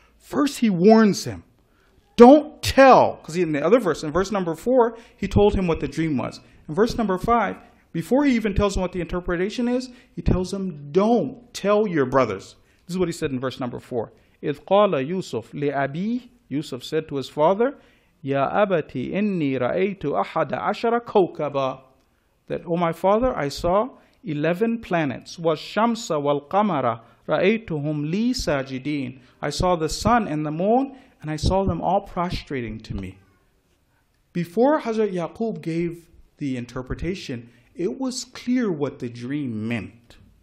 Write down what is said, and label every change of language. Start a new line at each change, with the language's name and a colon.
English: First, he warns him, don't tell. Because in the other verse, in verse number 4, he told him what the dream was. In verse number 5, before he even tells him what the interpretation is, he tells him, don't tell your brothers. This is what he said in verse number 4.
Arabic: إِذْ قَالَ يُوسُفْ لِأَبِيهِ.
English: Yusuf said to his father,
Arabic: يَا أَبَتِي إِنِّي رَأَيْتُ أَحَدَ عَشَرَ كَوْكَبًا.
English: That, O my father, I saw 11 planets.
Arabic: وَالشَّمْسَ وَالْقَمَرَ رَأَيْتُهُمْ لِي سَاجِدِينَ.
English: I saw the sun and the moon, and I saw them all prostrating to me. Before Hazrat Yaqub gave the interpretation, it was clear what the dream meant.